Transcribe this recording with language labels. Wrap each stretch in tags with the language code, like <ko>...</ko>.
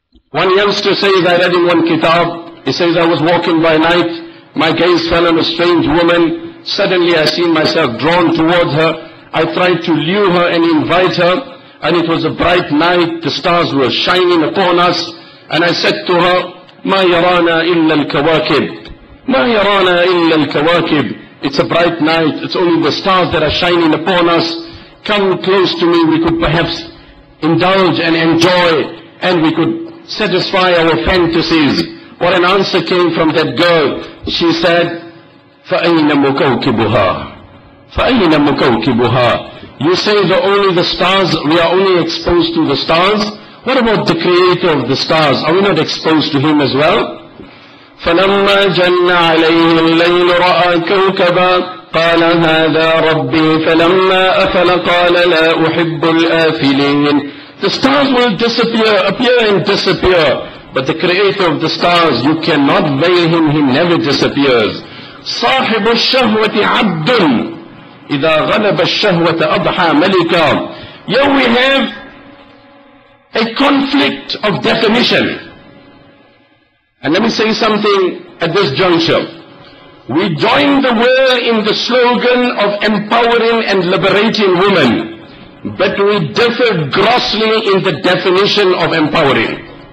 <en>One youngster says, I read in one kitab, he says, I was walking by night, my gaze fell on a strange woman, suddenly I seen myself drawn towards her, I tried to lure her and invite her, and it was a bright night, the stars were shining upon us, and I said to her,</en> <ar>ما يرانا إلا الكواكب</ar> <en>ما يرانا إلا الكواكب. It's a bright night, it's only the stars that are shining upon us, come close to me, we could perhaps indulge and enjoy, and we could satisfy our fantasies. What an answer came from that girl. She said,</en> <ar>فَأَيْنَ مُكَوْكِبُهَا فَأَيْنَ مُكَوْكِبُهَا.</ar> <en>You say that only the stars, we are only exposed to the stars. What about the creator of the stars? Are we not exposed to him as well?</en> <ar>فَلَمَّا جَنَّ عَلَيْهِ اللَّيْلُ رَأَى كَوْكَبًا قَالَ هَذَا رَبِّي فَلَمَّا أَفَلَ قَالَ لَا أُحِبُّ الْآفِلِينَ.</ar> <en>The stars will disappear, appear and disappear. But the creator of the stars, you cannot veil him, he never disappears.</en> <ar>صاحب الشهوة عبد إذا غلب الشهوة أضحى ملكا.</ar> <en>Here we have a conflict of definition. And let me say something at this juncture. We join the world in the slogan of empowering and liberating women, but we differ grossly in the definition of empowering.</en>